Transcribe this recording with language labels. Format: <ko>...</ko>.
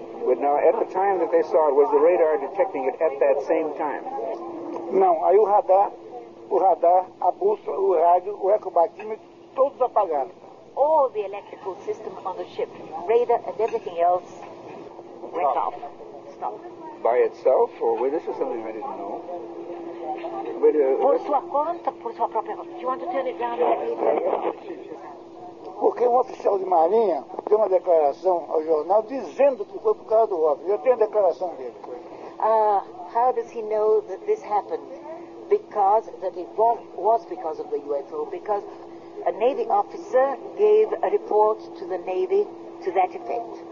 <en>But now, at the time that they saw it, was the radar detecting it at that same time?</en> <pt>Não, aí o radar, a bússola, o rádio, o ecobatímetro, todos apagaram.</pt> <en>All the electrical system on the ship, radar and everything else, went off. Stop. By itself, or well, this is something I didn't know. But,</en> <pt>por sua conta, por sua própria conta.</pt> <en>Do you want to turn it down?</en> <pt>Porque um oficial de marinha deu uma declaração ao jornal dizendo que foi por causa do óbvio. Eu tenho a declaração dele.</pt> <en>How does he know that this happened? Because that it was because of the UFO. Because a Navy officer gave a report to the Navy to that effect.</en>